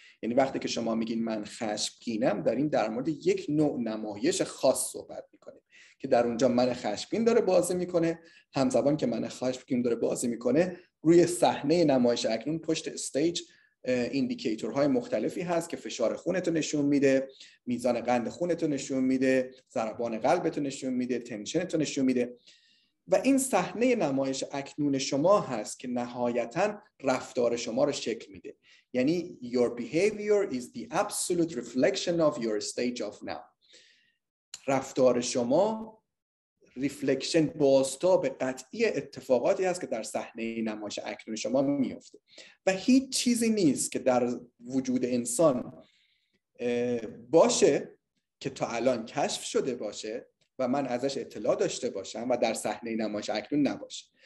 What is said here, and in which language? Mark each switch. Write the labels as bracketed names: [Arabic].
[Persian] یعنی وقتی که شما میگین من خشمگینم، داریم در مورد یک نوع نمایش خاص صحبت میکنیم که در اونجا من خشمگین داره بازی میکنه، همزمان که من خشمگین داره بازی میکنه روی صحنه نمایش اکنون پشت استیج ایندیکیتورهای مختلفی هست که فشار خونت رو نشون میده، میزان قند خونت رو نشون میده، ضربان قلبت رو نشون میده، تنشنت رو نشون میده، و این صحنه نمایش اکنون شما هست که نهایتاً رفتار شما رو شکل میده. یعنی [English] your behavior is the absolute reflection of your stage of now. [Persian] رفتار شما ریفلکشن، بازتاب قطعی اتفاقاتی هست که در صحنه نمایش اکنون شما میفته، و هیچ چیزی نیست که در وجود انسان باشه که تا الان کشف شده باشه و من ازش اطلاع داشته باشم و در صحنه نمایش اکنون نباشه.